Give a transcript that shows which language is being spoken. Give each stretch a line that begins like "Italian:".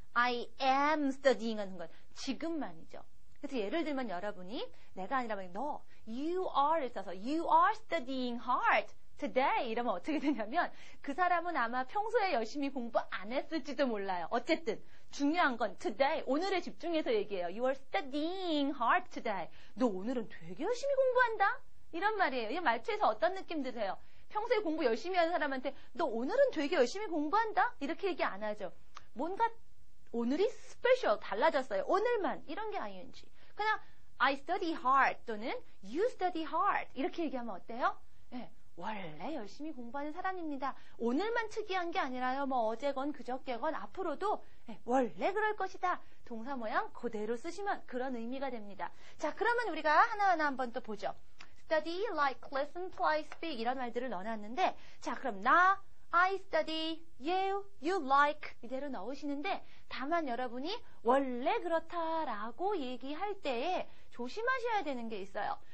English: I am studying
Korean: 하는 건 지금만이죠. 그래서 예를 들면 여러분이 내가 아니라 너 you are를 써서
English: you are studying hard today
Korean: 이러면 어떻게 되냐면 그 사람은 아마 평소에 열심히 공부 안 했을지도 몰라요. 어쨌든 중요한 건 today 오늘에 집중해서 얘기해요.
English: You are studying hard today.
Korean: 너 오늘은 되게 열심히 공부한다 이런 말이에요. 이 말투에서 어떤 느낌 드세요? 평소에 공부 열심히 하는 사람한테 너 오늘은 되게 열심히 공부한다? 이렇게 얘기 안 하죠. 뭔가 오늘이 special, 달라졌어요. 오늘만, 이런 게 ing. 그냥
English: I study hard
Korean: 또는
English: you study hard
Korean: 이렇게 얘기하면 어때요? 네, 원래 열심히 공부하는 사람입니다. 오늘만 특이한 게 아니라요. 뭐 어제건 그저께건 앞으로도 네, 원래 그럴 것이다. 동사 모양 그대로 쓰시면 그런 의미가 됩니다. 자, 그러면 우리가 하나하나 한번 또 보죠. study, like, listen, play, speak 이런 말들을 넣어놨는데 자, 그럼 나,
English: I study,
Korean: you,
English: you like
Korean: 이대로 넣으시는데 다만 여러분이 원래 그렇다라고 얘기할 때에 조심하셔야 되는 게 있어요.